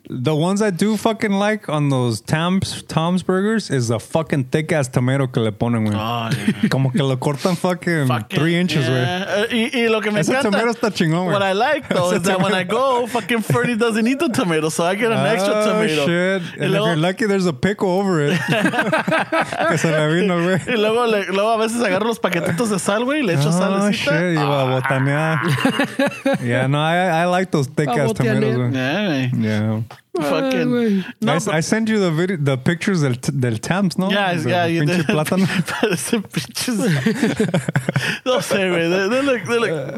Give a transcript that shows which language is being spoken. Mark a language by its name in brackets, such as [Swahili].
[English] The ones I do fucking like on those Tom's burgers is the fucking thick ass tomato [Spanish] que le ponen, [English] güey. Oh, yeah. [Spanish] Como que lo cortan [English] fucking 3 inches, [Spanish] güey. [English] Yeah. [Spanish] Y lo que me encanta. Ese tomato está chingón, güey. [English] What I like, though, is that when I go, fucking Freddy doesn't eat the tomato, so I get an extra tomato. Oh, shit. And if you're lucky, there's a pickle over it. [Spanish] Que se le vino, güey. Y luego a veces agarro los paquetitos de sal, güey, y le echo sal. [English] Oh, shit. [Spanish] Y va a botanear. [English] Yeah, no, I like those thick ass tomatoes. Yeah, fucking. I sent you the pictures [Spanish] del Tams, no? [English] Yeah, the plátano. Those pictures. [Spanish] No sé, güey.